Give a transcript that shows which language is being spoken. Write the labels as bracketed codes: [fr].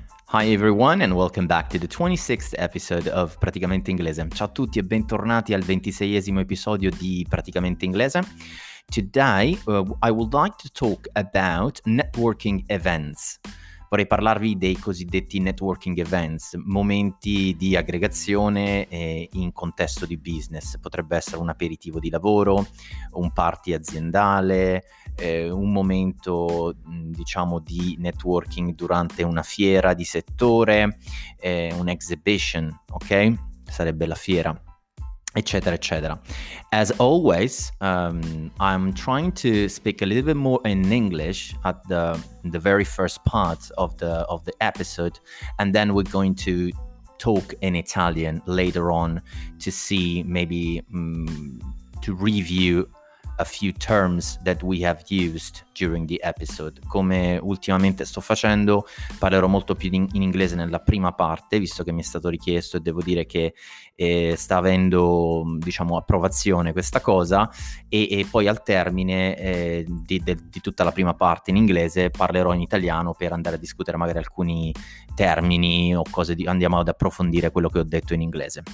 [en] Hi everyone and welcome back to the 26th episode of Praticamente Inglese. [it] Ciao a tutti e bentornati al 26esimo episodio di Praticamente Inglese. [en] Today I would like to talk about networking events. [it] Vorrei parlarvi dei cosiddetti networking events, momenti di aggregazione in contesto di business. Potrebbe essere un aperitivo di lavoro, un party aziendale, un momento, diciamo, di networking durante una fiera di settore, un exhibition, ok? Sarebbe la fiera, eccetera, eccetera. [en] As always, I'm trying to speak a little bit more in English at the very first part of the episode, and then we're going to talk in Italian later on to see maybe to review a few terms that we have used during the episode. [it] Come ultimamente sto facendo, parlerò molto più in inglese nella prima parte, visto che mi è stato richiesto, e devo dire che sta avendo, diciamo, approvazione questa cosa, e poi al termine di tutta la prima parte in inglese parlerò in italiano per andare a discutere magari alcuni termini o cose di, andiamo ad approfondire quello che ho detto in inglese.